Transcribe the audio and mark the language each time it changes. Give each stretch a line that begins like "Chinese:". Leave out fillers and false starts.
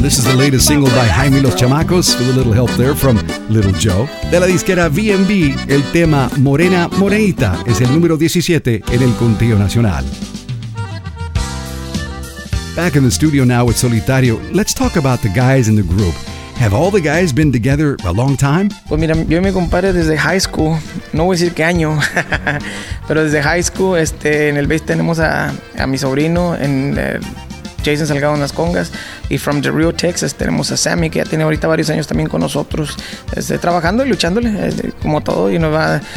English: This is the latest single by Jaime Los Chamacos, with a little help there from Little Joe.
Spanish: De la disquera VMB, el tema Morena Morenita es el número 17 en el conteo nacional.
English: Back in the studio now with Solitario, let's talk about the guys in the group. Have all the guys been together a long time?
Spanish: Pues mira, yo y mi compadre desde high school, no voy a decir qué año, pero desde high school, en el bass tenemos a mi sobrino, en Jason Salgado en las congas, y
English: from the Rio, Texas,
Spanish: tenemos a Sammy, que ya tiene ahorita varios años también con nosotros, trabajando y luchándole, como todo, y nos va.